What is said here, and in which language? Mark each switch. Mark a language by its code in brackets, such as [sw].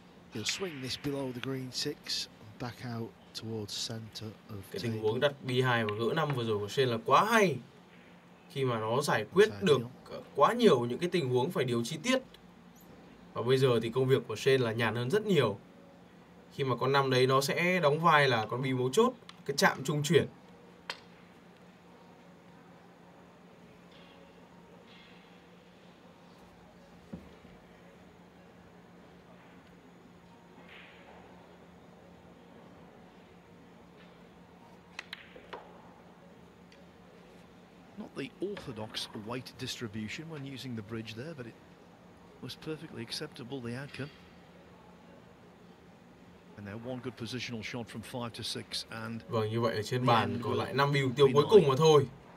[en] He'll swing this below the green six back out towards center of. [vi] Cái tình huống đặt bi 2 và gỡ 5 vừa rồi của Shane là quá hay. Khi mà nó giải quyết được quá nhiều những cái tình huống phải điều chi tiết. Và bây giờ thì công việc của Shane là nhàn hơn rất nhiều. Khi mà con năm đấy nó sẽ đóng vai là con bi mấu chốt, cái chạm trung chuyển. [en] the orthodox weight distribution when using the bridge there, but it was perfectly acceptable, the outcome. And now one good positional shot from 5 to 6. And [vi] vâng, như vậy ở trên bàn có lại 5 mục tiêu cuối cùng mà thôi.